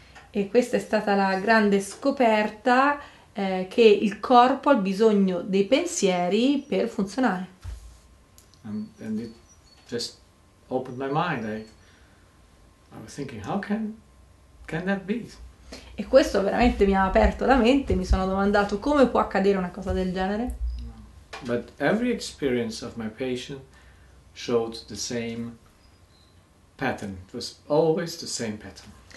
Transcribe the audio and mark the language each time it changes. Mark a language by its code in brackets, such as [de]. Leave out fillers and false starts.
[it] E questa è stata la grande scoperta che il corpo ha bisogno dei pensieri per funzionare. [en] And it just opened my mind. I was thinking, how can that be? [it] E questo veramente mi ha aperto la mente, mi sono domandato come può accadere una cosa del genere. [en] But every experience of my patient showed the same pattern. It was always the same pattern.